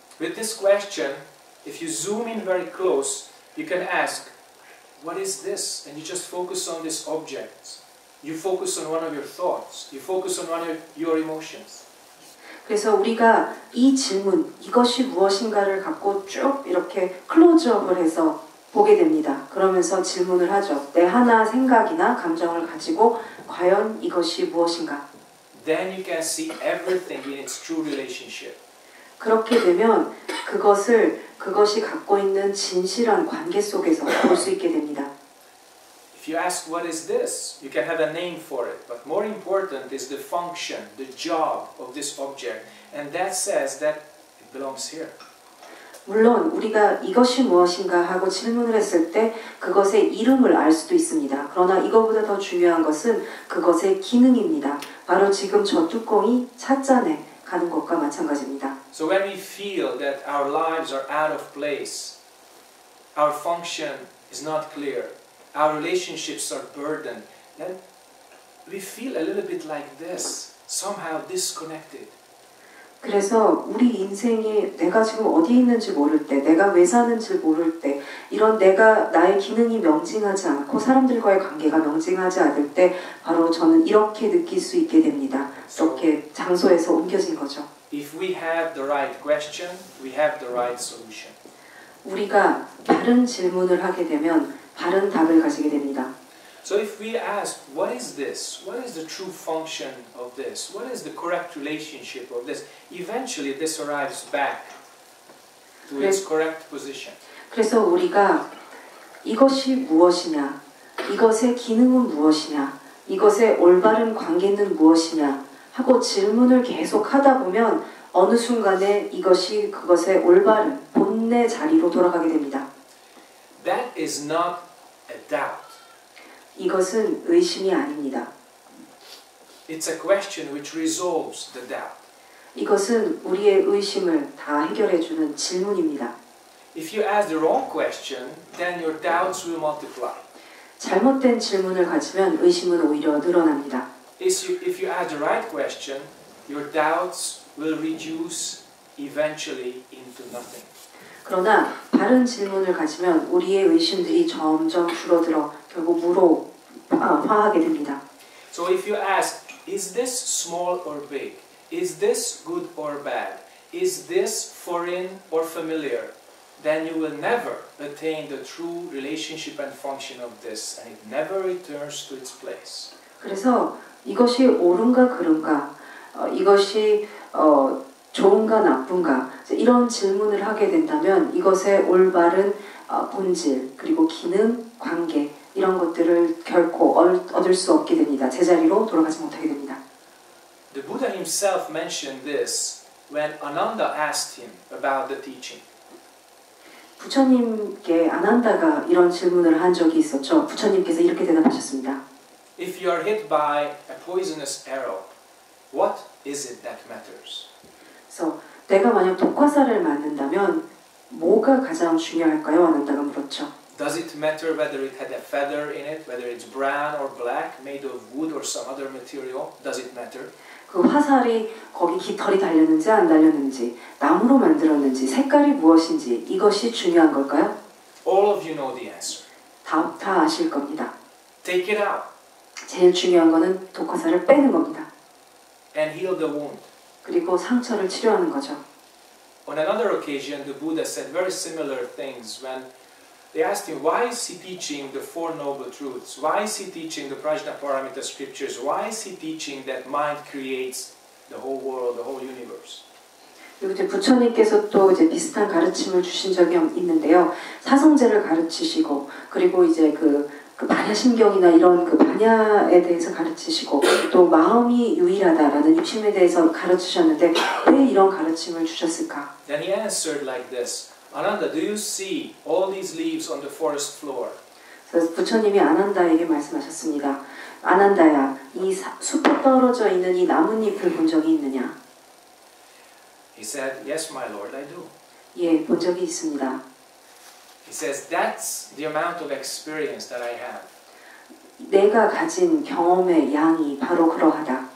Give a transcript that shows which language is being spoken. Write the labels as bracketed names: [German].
[English] With this question, if you zoom in very close, you can ask, what is this? And you just focus on this object. You focus on one of your thoughts. You focus on one of your emotions. [Korean] 그래서 우리가 이 질문, 이것이 무엇인가를 갖고 쭉 이렇게 클로즈업을 해서 보게 됩니다. 그러면서 질문을 하죠. 내 하나 생각이나 감정을 가지고 과연 이것이 무엇인가? [English] Then you can see everything in its true relationship. [Korean] 그렇게 되면 그것을 그것이 갖고 있는 진실한 관계 속에서 볼 수 있게 됩니다. [English] If you ask what is this, you can have a name for it. But more important is the function, the job of this object. And that says that it belongs here. [Korean] 물론 우리가 이것이 무엇인가 하고 질문을 했을 때 그것의 이름을 알 수도 있습니다. 그러나 이것보다 더 중요한 것은 그것의 기능입니다. 바로 지금 저 뚜껑이 찻잔에 가는 것과 마찬가지입니다. [English] So when we feel that our lives are out of place, our function is not clear, our relationships are burdened, then we feel a little bit like this, somehow disconnected. [Korean] 그래서 우리 인생이 내가 지금 어디에 있는지 모를 때, 내가 왜 사는지 모를 때, 이런 내가 나의 기능이 명징하지 않고 사람들과의 관계가 명징하지 않을 때 바로 저는 이렇게 느낄 수 있게 됩니다. 이렇게 장소에서 옮겨진 거죠. [English] If we have the right question, we have the right solution. [Korean] 우리가 바른 질문을 하게 되면 바른 답을 가지게 됩니다. [English] So if we ask, what is this? What is the true function of this? What is the correct relationship of this? Eventually, this arrives back to its correct position. [Korean] 그래서 우리가 이것이 무엇이냐, 이것의 기능은 무엇이냐, 이것의 올바른 관계는 무엇이냐 하고 질문을 계속 하다 보면 어느 순간에 이것이 그것의 올바른 본래 자리로 돌아가게 됩니다. [English] That is not a doubt. [Korean] 이것은 의심이 아닙니다. [English] It's a question which resolves the doubt. [Korean] 이것은 우리의 의심을 다 해결해 주는 질문입니다. [English] If you ask the wrong question, then your doubts will multiply. [Korean] 잘못된 질문을 가지면 의심은 오히려 늘어납니다. [English] If you ask the right question, your doubts will reduce eventually into nothing. [Korean] 그러나 바른 질문을 가지면 우리의 의심들이 점점 줄어들어 결국 무로 화하게 됩니다. [English] So if you ask, is this small or big? Is this good or bad? Is this foreign or familiar? Then you will never attain the true relationship and function of this, and it never returns to its place. [Korean] 그래서 이것이 옳은가 그른가, 이것이 좋은가 나쁜가, 이런 질문을 하게 된다면 이것의 올바른 본질, 그리고 기능, 관계, 이런 것들을 결코 얻을 수 없게 됩니다. 제자리로 돌아가지 못하게 됩니다. [English] The Buddha himself mentioned this when Ananda asked him about the teaching. [Korean] 부처님께 아난다가 이런 질문을 한 적이 있었죠. 부처님께서 이렇게 대답하셨습니다. [English] If you are hit by a poisonous arrow, what is it that matters? [Korean] So, 내가 만약 독화살을 맞는다면 뭐가 가장 중요할까요? 아난다가 물었죠. [English] Does it matter whether it had a feather in it, whether it's brown or black, made of wood or some other material? Does it matter? [Korean] 그 화살이 거기 깃털이 달렸는지 안 달렸는지, 나무로 만들었는지, 색깔이 무엇인지, 이것이 중요한 걸까요? [English] All of you know the answer. [Korean] 다 아실 겁니다. [English] Take it out. [Korean] 제일 중요한 거는 독화살을 빼는 겁니다. [English] And heal the wound. [Korean] 그리고 상처를 치료하는 거죠. [English] On another occasion, the Buddha said very similar things when they asked him, why is he teaching the Four Noble Truths? Why is he teaching the Prajnaparamita scriptures? Why is he teaching that mind creates the whole world, the whole universe? [Korean] 그리고 이제 부처님께서 또 이제 비슷한 가르침을 주신 적이 있는데요. 사성제를 가르치시고 그리고 이제 그 반야심경이나 이런 그 반야에 대해서 가르치시고 또 마음이 유일하다라는 유심에 대해서 가르치셨는데 왜 이런 가르침을 주셨을까? [English] Then he answered like this. Ananda, do you see all these leaves on the forest floor? [Korean] 부처님이 아난다에게 말씀하셨습니다. 아난다야, 이 숲에 떨어져 있는 이 나뭇잎을 본 적이 있느냐? [English] He said, yes, my lord, I do. [Korean] 예, 본 적이 있습니다. [English] He says, that's the amount of experience that I have. [Korean] 내가 가진 경험의 양이 바로 그러하다.